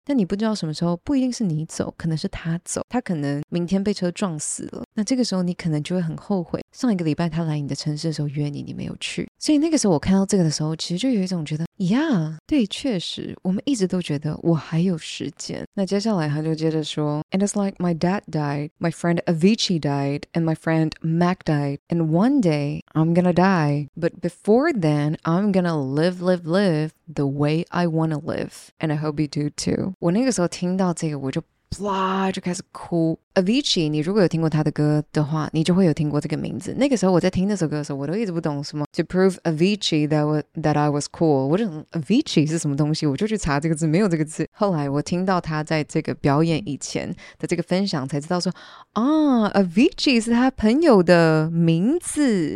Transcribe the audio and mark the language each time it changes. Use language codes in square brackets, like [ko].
[zh] 但你不知道什么时候，不一定是你走，可能是他走，他可能明天被车撞死了，那这个时候你可能就会很后悔上一个礼拜他来你的城市的时候约你，你没有去。所以那个时候我看到这个的时候，其实就有一种觉得 Yeah, 对，确实我们一直都觉得我还有时间。那接下来他就接着说 [en] And it's like my dad died, my friend Avicii died, and my friend Mac died, and one day I'm gonna die, but before then I'm gonna live the way I wanna live, and I hope you do too. [zh] 我那个时候听到这个我就啪就开始哭。 Avicii, 你如果有听过他的歌的话，你就会有听过这个名字。那个时候我在听那首歌的时候，我都一直不懂什么 [en] To prove Avicii that I was cool. [zh] 我就 Avicii 是什么东西，我就去查这个字，没有这个字。后来我听到他在这个表演以前的这个分享才知道说啊 Avicii 是他朋友的名字。